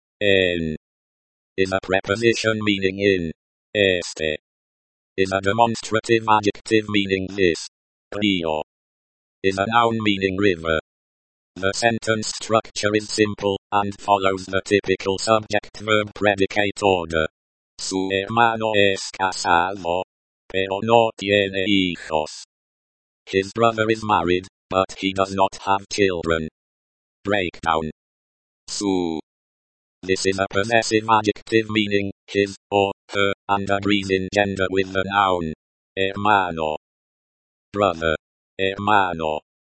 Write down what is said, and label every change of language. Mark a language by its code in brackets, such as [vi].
[en] En is a preposition meaning in. Este is a demonstrative adjective meaning this. Río is a noun meaning river. The sentence structure is simple and follows the typical subject-verb-predicate order. [es] Su hermano es casado, pero no tiene hijos. [en] His brother is married, but he does not have children. Breakdown. Su. This is a possessive adjective meaning his or her, and agrees in gender with the noun. [es] Hermano. Brother. Hermano.